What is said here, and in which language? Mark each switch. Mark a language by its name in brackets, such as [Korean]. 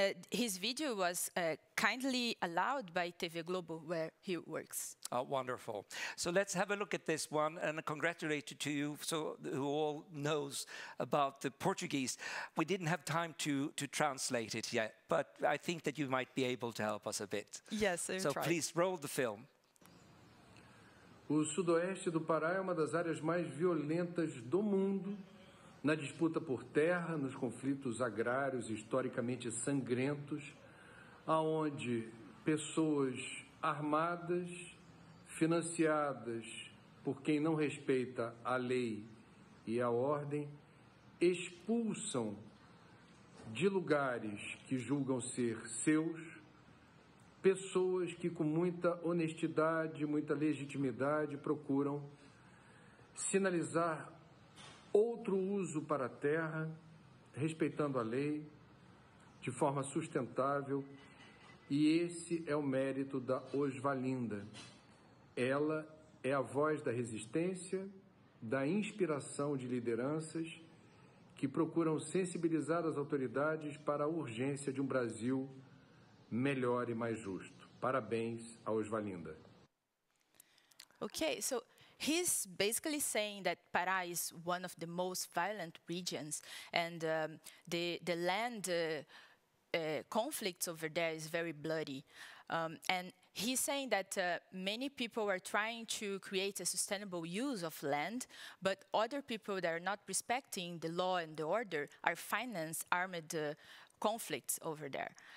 [English] His video was kindly allowed by TV Globo, where he works. Oh, wonderful. So let's have a look at this one, and congratulate to you, so who all knows about the Portuguese. We didn't have time to translate it yet, but I think that you might be able to help us a bit. Yes, I'll so try. Please roll the film. [Portuguese] O sudoeste do Pará é uma das áreas mais violentas do mundo na disputa por terra, nos conflitos agrários historicamente sangrentos, aonde pessoas armadas, financiadas por quem não respeita a lei e a ordem, expulsam de lugares que julgam ser seus pessoas que, com muita honestidade, muita legitimidade, procuram sinalizar outro uso para a terra, respeitando a lei, de forma sustentável. E esse é o mérito da Osvalinda. Ela é a voz da resistência, da inspiração de lideranças que procuram sensibilizar as autoridades para a urgência de um Brasil melhor e mais justo. Parabéns a Osvalinda. [English] Okay, so he's basically saying that Pará is one of the most violent regions, and the land conflicts over there is very bloody. And he's saying that many people are trying to create a sustainable use of land, but other people that are not respecting the law and the order are financed armed conflicts over there.